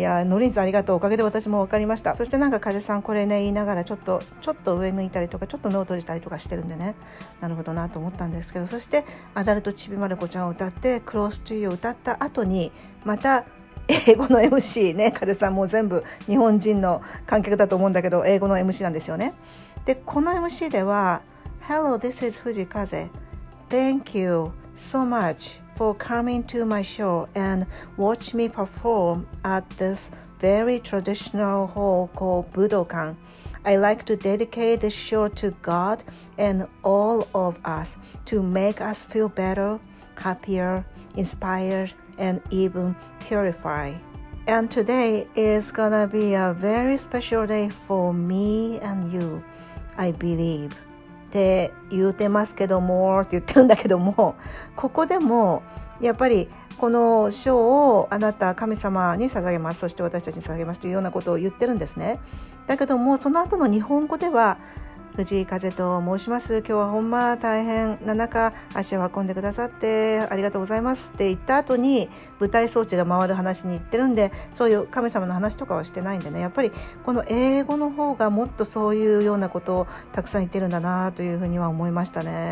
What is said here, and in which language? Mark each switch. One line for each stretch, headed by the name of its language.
Japanese: いや、ノリンさんありがとう、おかげで私も分かりました。そしてなんか風さんこれね言いながら、ちょっと上向いたりとか、ちょっと目を閉じたりとかしてるんでね、なるほどなと思ったんですけど、そしてアダルトちびまる子ちゃんを歌って、クロストゥーを歌った後にまた英語の MC ね、風さんもう全部日本人の観客だと思うんだけど、英語の MC なんですよね。で、この MC では
English: Hello, this is 藤風、Thank you so much for coming to my show and watch me perform at this very traditional hall called Budokan. I like to dedicate this show to God and all of us to make us feel better, happier, inspired, and even purified. And today is gonna be a very special day for me and you, I believe.
Japanese: って言ってますけどもって言ってるんだけども、ここでもやっぱりこの賞をあなた神様に捧げます、そして私たちに捧げますというようなことを言ってるんですね。だけどもその後の日本語では、藤井風と申します、今日はほんま大変な中足を運んでくださってありがとうございますって言った後に、舞台装置が回る話に行ってるんで、そういう神様の話とかはしてないんでね、やっぱりこの英語の方がもっとそういうようなことをたくさん言ってるんだなというふうには思いましたね。